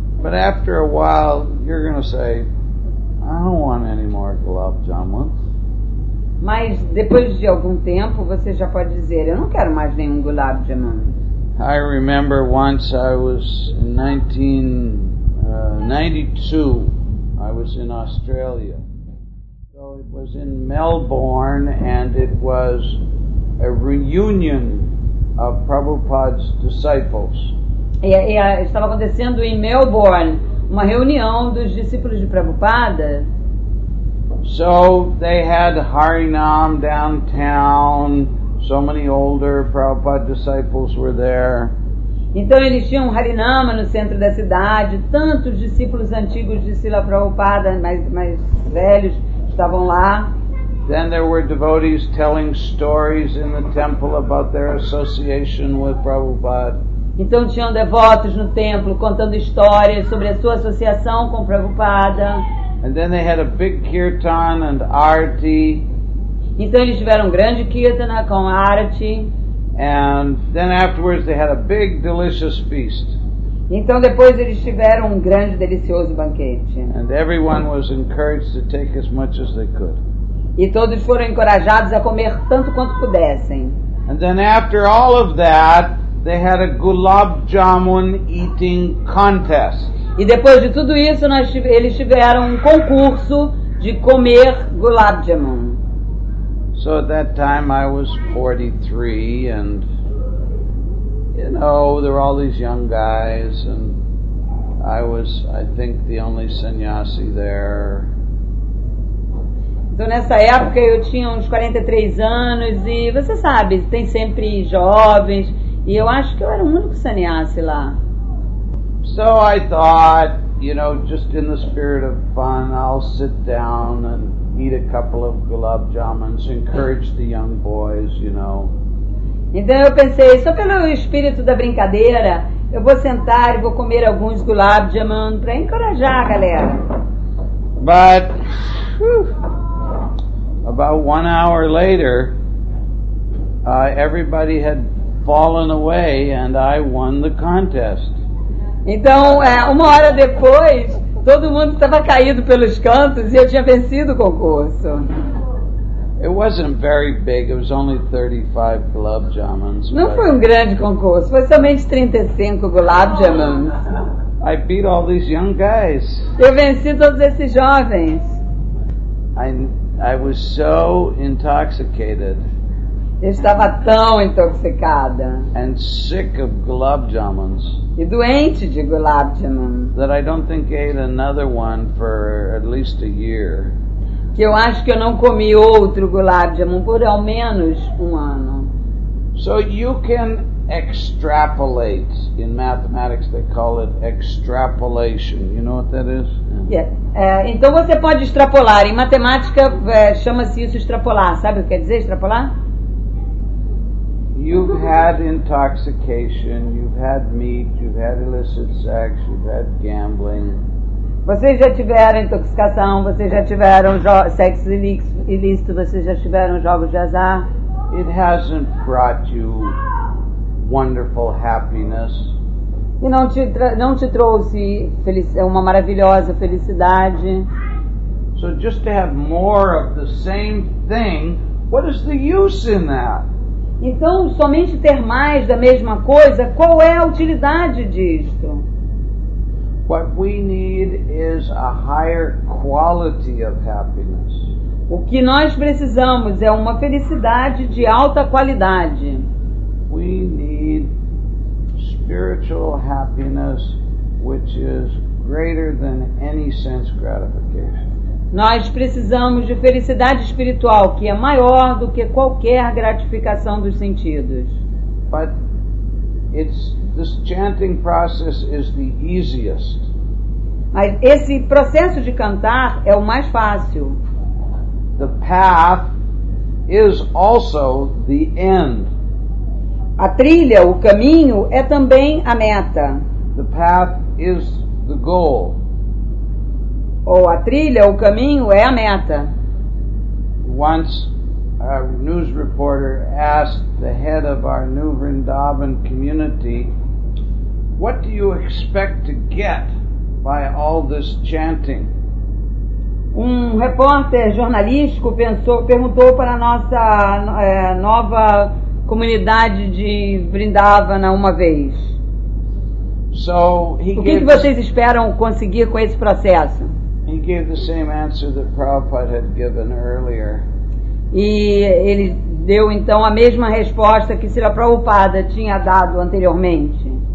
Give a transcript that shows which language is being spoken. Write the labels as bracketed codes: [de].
[en] But after a while, you're going to say, I don't want any more gulab jamuns. [pt] Mas depois de algum tempo, você já pode dizer, eu não quero mais nenhum gulab jamun. [en] I remember once I was in 1992, I was in Australia. So it was in Melbourne, and it was a reunion of Prabhupada's disciples. [pt] Estava acontecendo em Melbourne uma reunião dos discípulos de Prabhupada. [en] So they had Harinam downtown. So many older Prabhupada disciples were there. [pt] Então eles tinham Harinama no centro da cidade. Tantos discípulos antigos de Srila Prabhupada, mais velhos, estavam lá. [en] Then there were devotees telling stories in the temple about their association with Prabhupada. [pt] Então tinham devotos no templo contando histórias sobre a sua associação com Prabhupada. [en] And then they had a big kirtan and arti. [pt] Então eles tiveram um grande kirtana com arti. [en] And then afterwards they had a big delicious feast. [pt] Então depois eles tiveram um grande delicioso banquete. [en] And everyone was encouraged to take as much as they could. [pt] E todos foram encorajados a comer tanto quanto pudessem. [en] And then after all of that, they had a gulab jamun eating contest. [pt] E depois de tudo isso, eles tiveram um concurso de comer gulab jamun. [en] So at that time I was 43, and you know, there were all these young guys, and I was, I think, the only sannyasi there. [pt] Então nessa época eu tinha uns 43 anos, e você sabe, tem sempre jovens, e eu acho que eu era o único sannyasi lá. [en] So I thought, you know, just in the spirit of fun, I'll sit down and eat a couple of gulab jamuns, encourage the young boys, you know. [pt] Então eu pensei, só pelo espírito da brincadeira, eu vou sentar e vou comer alguns gulab jamuns para encorajar a galera. [en] But about 1 hour later, everybody had fallen away and I won the contest. [pt] Então, uma hora depois, todo mundo estava caído pelos cantos e eu tinha vencido o concurso. [en] It wasn't very big. It was only 35 gulab jamuns. [pt] Não foi um grande concurso. Foi somente 35 gulab jamuns. [en] I beat all these young guys. [pt] Eu venci todos esses jovens. [en] I was so intoxicated. [pt] Eu estava tão intoxicada. [en] And sick of gulab jamuns. [pt] E doente de gulab jamun. [en] That I don't think I ate another one for at least a year. [pt] Que eu acho que eu não comi outro gulab jamun por ao menos um ano. [en] So you can extrapolate. In mathematics they call it extrapolation. You know what that is? Yeah. [pt] Então você pode extrapolar. Em matemática chama-se isso extrapolar. Sabe o que quer dizer extrapolar? [en] You've had intoxication, you've had meat, you've had illicit sex, you've had gambling. [pt] Vocês já tiveram intoxicação, vocês já tiveram sexo ilícito, vocês já tiveram jogos de azar. [en] It hasn't brought you wonderful happiness. [pt] E não te trouxe uma maravilhosa felicidade. [en] So just to have more of the same thing, what is the use in that? [pt] Então, somente ter mais da mesma coisa, qual é a utilidade disto? [en] What we need is a higher quality of happiness. [pt] O que nós precisamos é uma felicidade de alta qualidade. [en] We need spiritual happiness which is greater than any sense gratification. [pt] Nós precisamos de felicidade espiritual que é maior do que qualquer gratificação dos sentidos. [en] But this chanting process is the easiest. [pt] Mas esse processo de cantar é o mais fácil. [en] The path is also the end. [pt] A trilha, o caminho, é também a meta. [en] The path is the goal. [pt] Ou a trilha, o caminho, é a meta. [en] Once a news reporter asked the head of our new Vrindavan community, what do you expect to get by all this chanting. [pt] Um repórter jornalístico perguntou para a nossa nova comunidade de Vrindavana uma vez. [en] So he [pt] o que, que vocês esperam conseguir com esse processo? [en] He gave the same answer that Prabhupada had given earlier. [pt] E ele deu então a mesma resposta que Srila Prabhupada tinha dado anteriormente.